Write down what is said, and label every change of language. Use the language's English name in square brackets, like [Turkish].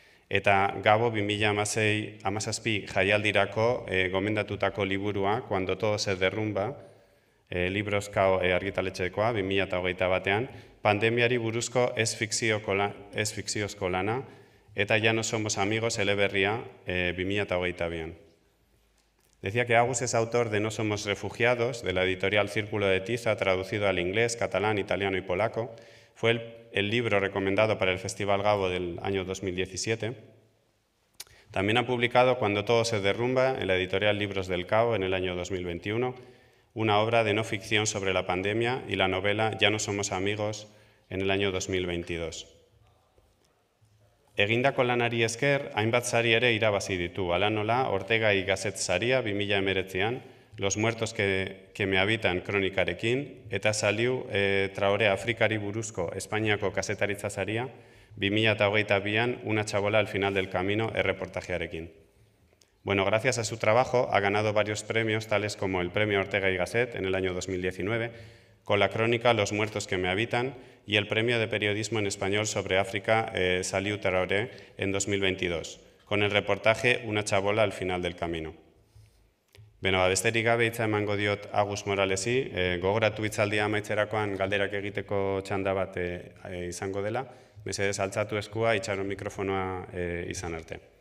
[Basque] Eta Gabo 2016-2017 jaialdirako gomendatutako liburua, Cuando todo se derrumba, Libros Kao argitaletxekoa 2021, pandemiari buruzko ez-fikziozko lana, eta Ya no somos amigos, eleberria 2022. [Spanish] Decía que Agus es autor de No somos refugiados, de la editorial Círculo de Tiza, traducido al inglés, catalán, italiano y polaco. Fue el libro recomendado para el Festival Gabo del año 2017. También ha publicado Cuando todo se derrumba, en la editorial Libros del Cabo, en el año 2021, una obra de no ficción sobre la pandemia y la novela Ya no somos amigos, en el año 2022. [Basque] Egindako lanari esker, hainbat sari ere irabazi ditu. Hala nola, Ortega y Gasset saria 2019, Los muertos que me habitan kronikarekin, eta Saliu Traore Afrikari buruzko Espainiako kazetaritza saria 2022, Una chabola al final del camino, erreportajearekin. [Spanish] Bueno, gracias a su trabajo ha ganado varios premios, tales como el premio Ortega y Gasset en el año 2019, con la crónica Los muertos que me habitan, y el premio de periodismo en español sobre África, Saliu Traore, en 2022, con el reportaje Una chabola al final del camino. [Basque] Bueno, a besterik gabe hitza emango diot Agus Moralesi, gogoratu hitzaldia amaitzerakoan galderak egiteko txanda bat izango dela. Mesedez altzatu eskua, itxaron mikrofonoa izan arte.